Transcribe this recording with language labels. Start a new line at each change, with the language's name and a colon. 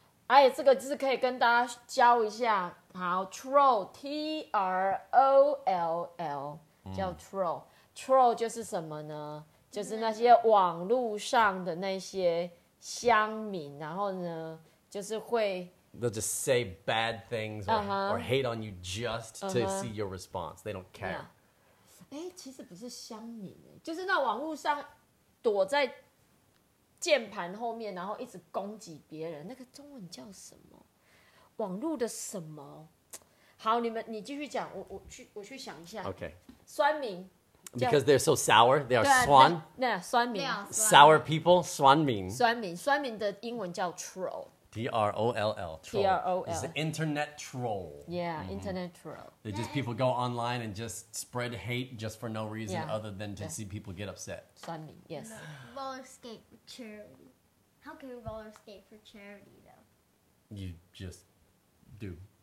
Chinese: 哎，这个字可以跟大家教一下。好 ,Troll.
English: T-R-O-L-L. 叫 Troll.
Chinese: Troll 就是什么呢？就是那些网路上的那些乡民，然后呢，就是会
English: They'll just say bad things or,or hate on you just to see your response. They don't care.
Chinese: 欸,其实不是乡民欸,就是那网络上躲在键盘后面然后一直攻击别人。那个中文叫什么?网络的什么? 好,你继续讲,我去想一下。
English: Okay.
Chinese: 酸民。
English: Because they're so sour, they are 酸.
Chinese: Yeah, 酸民。
English: Sour people, 酸民。
Chinese: 酸民的英文叫 troll.
English: T-R-O-L-L, troll. It's the internet troll. Yeah, internet troll. They just people go online and just spread hate just for no reason other than to see people get upset. Sunny, yes. No. Roller skate for charity. How can you roller skate for charity, though? You just do.